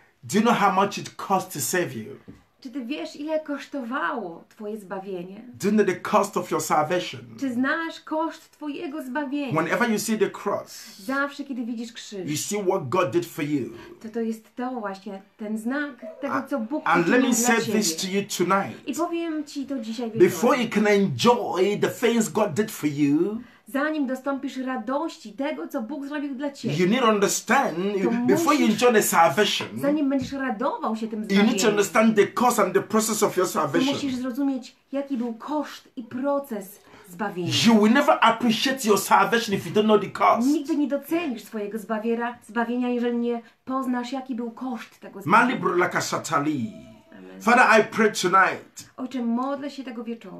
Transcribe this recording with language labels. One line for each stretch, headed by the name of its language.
English: Do you know how much it costs to save you?
Polish: Czy ty wiesz, ile kosztowało twoje zbawienie?
English: Do you know the cost of your salvation?
Polish: Czy znasz koszt twojego zbawienia?
English: Whenever you see the cross,
Polish: zawsze kiedy widzisz krzyż,
English: you see what God did for you.
Polish: To jest to właśnie ten znak tego, co Bóg
English: and
Polish: uczynił
English: let me
Polish: dla
English: say
Polish: ciebie.
English: This to you tonight.
Polish: I powiem ci to dzisiaj wieczorem.
English: Before you can enjoy the things God did for you,
Polish: zanim dostąpisz radości tego, co Bóg zrobił dla ciebie,
English: you need to understand, before you enjoy the salvation,
Polish: zanim będziesz radował się tym zbawieniem,
English: you need to understand the cost and the process of your salvation.
Polish: Musisz zrozumieć, jaki był koszt i proces zbawienia.
English: You will never appreciate your salvation if you don't know the cost.
Polish: Nigdy nie docenisz swojego zbawienia, jeżeli nie poznasz, jaki był koszt tego zbawienia. Mali bro, laka szatali.
English: Father, I pray tonight.
Polish: Ojcze, modlę się tego wieczoru.